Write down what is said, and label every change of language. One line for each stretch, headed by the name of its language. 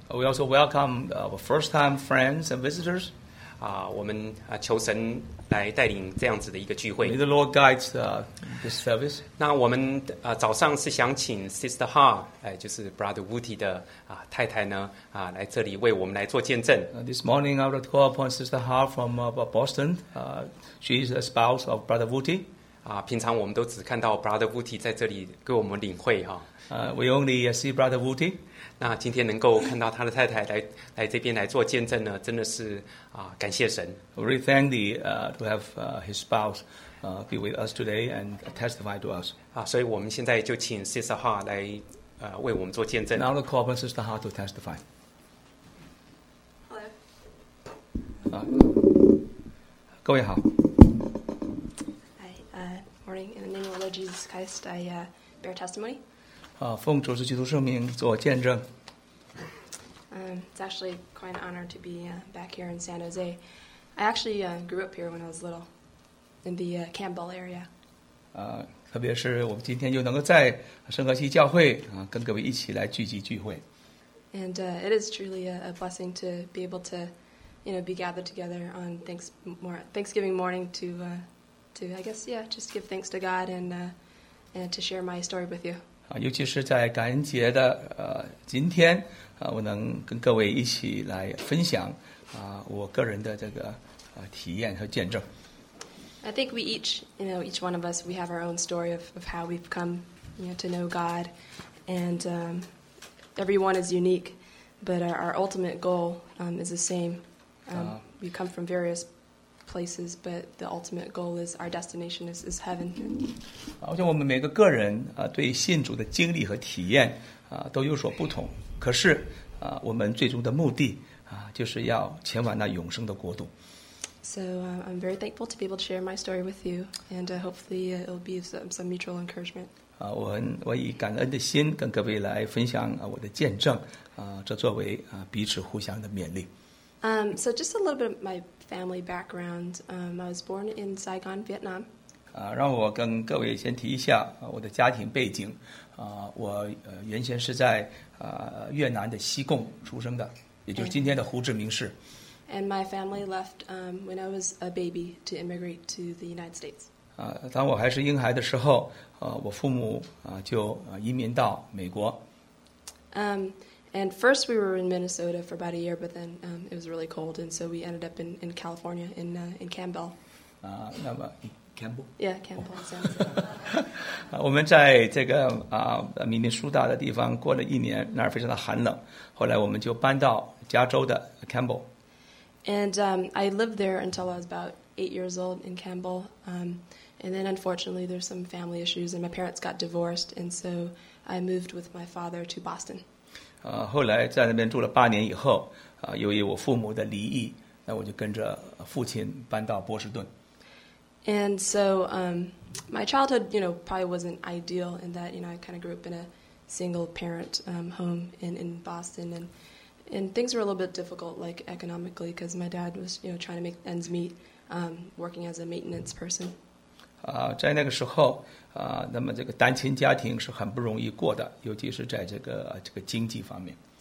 English: We also welcome our first-time friends and visitors.
Chinese: 我们求神来带领这样子的一个聚会。
English: May the Lord guide this service.
Chinese: 那我们早上是想请 Sister Ha, 就是 Brother Wooty 的太太呢来这里为我们来做见证。
English: This morning I would call upon Sister Ha from Boston. She is a spouse of Brother Wooty.
Chinese: 平常我们都只看到 Brother Wooty 在这里给我们领会
English: We only see Brother Wooty.
Chinese: 那今天能够看到他的太太来这边来做见证呢，真的是感谢神。
English: We really thank thee to have his spouse be with us today and testify to us.
Chinese: 所以我们现在就请 Sister Ha 来为我们做见证。
English: Now we call upon Sister Ha to testify. Hello.
Chinese: 各位好。
English: Hi, morning. In the name of the Lord Jesus Christ, I bear testimony.
Chinese: 奉主是基督圣名做见证。
English: It's actually quite an honor to be back here in San Jose. I actually grew up here when I was little, in the Campbell area.
Chinese: 特别是我们今天又能够在圣何西教会跟各位一起来聚集聚会。
English: And it is truly a blessing to be able to, you know, be gathered together on Thanksgiving morning to just give thanks to God and to share my story with you.
Chinese: 尤其是在感恩节的今天我能跟各位一起来分享我个人的这个体验和见证。
English: I think we each, you know, each one of us, we have our own story of how we've come, you know, to know God, and everyone is unique, but our ultimate goal is the same. We come from various places, but the ultimate goal is our destination is heaven.
Chinese: 好像我们每个个人对信主的经历和体验都有所不同，可是我们最终的目的就是要前往那永生的国度。
English: So I'm very thankful to be able to share my story with you, and hopefully it'll be some mutual encouragement.
Chinese: 我以感恩的心跟各位来分享我的见证，这作为彼此互相的勉励。
English: So just a little bit of my family background. I was born in Saigon, Vietnam.
Chinese: 让我跟各位先提一下我的家庭背景。我原先是在越南的西贡出生的，也就是今天的胡志明市。
English: And my family left when I was a baby to immigrate to the United States.
Chinese: 当我还是婴孩的时候，我父母就移民到美国。
English: And first we were in Minnesota for about a year, but then it was really cold, and so we ended up in California in Campbell.
Chinese: 那么 Campbell?
English: Yeah, Campbell.
Chinese: 我们在这个明尼苏达的地方过了一年，那儿非常的寒冷。后来我们就搬到加州的 Campbell。
English: And I lived there until I was about 8 years old in Campbell. And then unfortunately there's some family issues and my parents got divorced. And so I moved with my father to Boston.
Chinese: 后来在那边住了八年以后，由于我父母的离异，那我就跟着父亲搬到波士顿。
English: And so my childhood, you know, probably wasn't ideal in that, you know, I kind of grew up in a single parent home in Boston. And things were a little bit difficult, like economically, because my dad was, you know, trying to make ends meet, working as a maintenance person.
Chinese: 在那个时候，那么这个单亲家庭是很不容易过的，尤其是在这个经济方面。